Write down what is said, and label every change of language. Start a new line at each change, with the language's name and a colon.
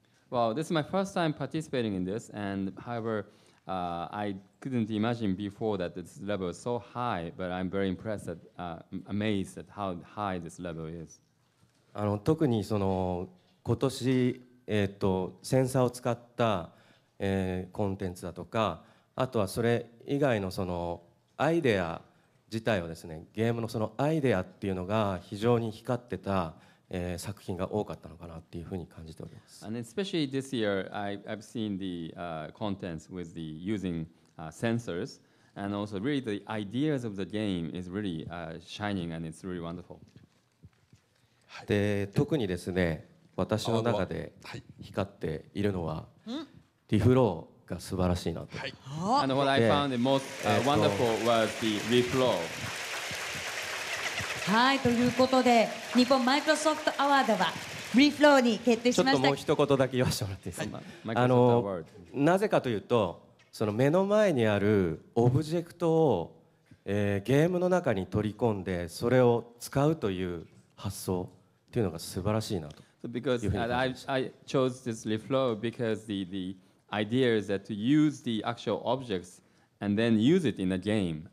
English: Well, this is my first time participating in this and however,I couldn't imagine before that this level is so high, but I'm very impressed, amazed at how high this level is.
Japanese: 特にその今年、センサーを使った、コンテンツだとか、あとはそれ以外のそのアイデア自体をですね、ゲームのそのアイデアっていうのが非常に光ってた。作品が多かったのかなっていうふうに感じております。
English: And especially this year I've seen the contents with the using sensors and also really the ideas of the game is really shining and it's really wonderful。
Japanese: で特にですね私の中で光っているのはリフローが素晴らしいなと。
English: And what I found the most wonderful was the reflow。
Japanese: はい、ということで日本マイクロソフトアワードはリフローに決定しました。ちょっともう一言だけ言わせてもらっていいですか。なぜかというとその目の前にあるオブジェクトを、ゲームの中に取り込んでそれを使うという発想っていうのが素晴らしいなというふうに思いました。
English: Because I chose this reflow because the idea is that to use the actual objects and then use it in a game.